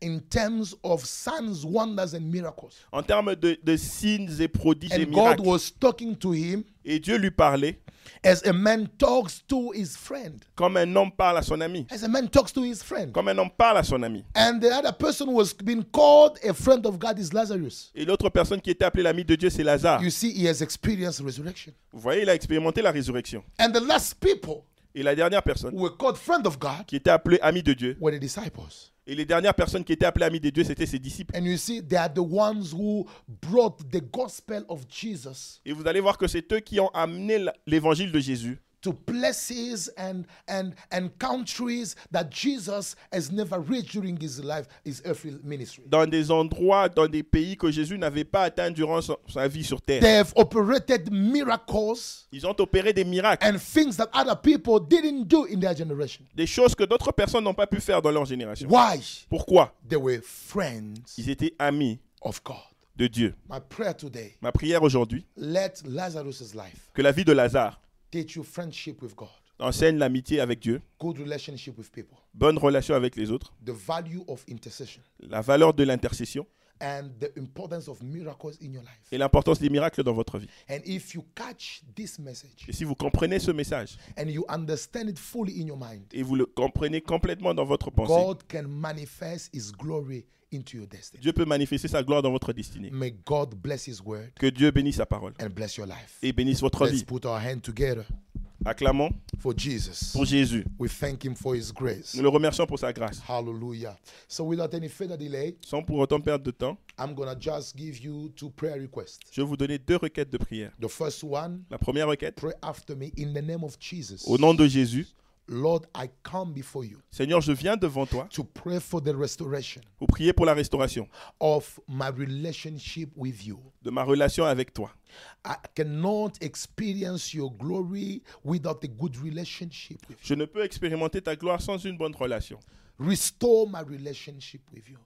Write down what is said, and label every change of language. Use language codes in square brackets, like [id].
[en] In terms of signs, wonders and miracles. [fr] En termes de signes et prodiges [en] and [fr] et [en] God [fr] miracles. [en] Was talking to him. [fr] Et Dieu lui parlait. [en] As a man talks to his friend. [fr] Comme un homme parle à son ami. [en] As a man talks to his friend. [fr] Comme un homme parle à son ami. [en] And the other person was being called a friend of God is Lazarus. [fr] Et l'autre personne qui était appelée l'ami de Dieu, c'est Lazare. [en] You see, he has experienced resurrection. [fr] Vous voyez, il a expérimenté la résurrection. [en] And the last people. [fr] Et la dernière personne [en] who were called friend of God, [fr] qui était appelée amie de Dieu [en] were the disciples. [fr] Et les dernières personnes qui étaient appelées amies de Dieu, c'était ses disciples. [en] And you see, they are the ones who brought the gospel of Jesus. [fr] Et vous allez voir que c'est eux qui ont amené l'évangile de Jésus [en] to places and countries that Jesus has never reached during his life, his earthly ministry. [fr] Dans des endroits, dans des pays que Jésus n'avait pas atteint durant sa vie sur terre. [en] They have operated miracles. [fr] Ils ont opéré des miracles. [en] And things that other people didn't do in their generation. [fr] Des choses que d'autres personnes n'ont pas pu faire dans leur génération. [en] Why? [fr] Pourquoi? [en] They were friends. [fr] Ils étaient amis. [en] Of God. [fr] De Dieu. [en] My prayer today. [fr] Ma prière aujourd'hui. [en] Let Lazarus's life. [fr] Que la vie de Lazare. [en] Teach you friendship with God. [fr] Enseigne l'amitié avec Dieu. [en] Good relationship with people. [fr] Bonne relation avec les autres. [en] The value of intercession. [fr] La valeur de l'intercession. [en] And the importance of miracles in your life. [fr] Et l'importance des miracles dans votre vie. [en] And if you catch this message. [fr] Et si vous comprenez ce message. [en] And you understand it fully in your mind. [fr] Et vous le comprenez complètement dans votre pensée. [en] God can manifest his glory into your destiny. [fr] Dieu peut manifester sa gloire dans votre destinée. [en] May God bless his word. [fr] Que Dieu bénisse sa parole. [en] And bless your life. [fr] Et bénisse votre [en] Let's [fr] vie. [en] Let's put our hands together. [fr] Acclamons [en] for Jesus. [fr] Pour Jésus. [en] We thank him for his grace. [fr] Nous le remercions pour sa grâce. [en] Hallelujah. So without any further delay, [fr] sans pour autant perdre de temps, [en] I'm gonna just give you two prayer requests. [fr] Je vais vous donner deux requêtes de prière. [en] The first one, [fr] la première requête, [en] pray after me in the name of Jesus. [fr] Au nom de Jésus. [en] Lord, I come before you. [fr] Seigneur, je viens devant toi. [en] To pray for the restoration. [fr] Pour prier pour la restauration. [en] Of my relationship with you. [fr] De ma relation avec toi. [en] I cannot experience your glory without a good relationship with you. [fr] Je ne peux expérimenter ta gloire sans une bonne relation. [en] Restore my relationship with you.